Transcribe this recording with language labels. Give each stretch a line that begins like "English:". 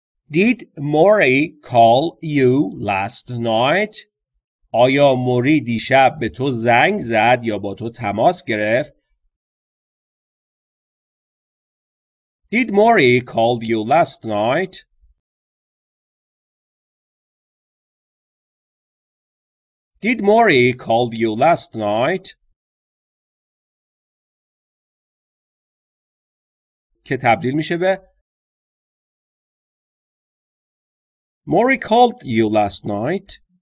English: Did Mori call you last night?
Persian: آیا موری دیشب به تو زنگ زد یا با تو تماس گرفت؟
English: Did Mori call you last night? Did Mori call you last night?
Persian: که تبدیل میشه به
English: Mori called you last night.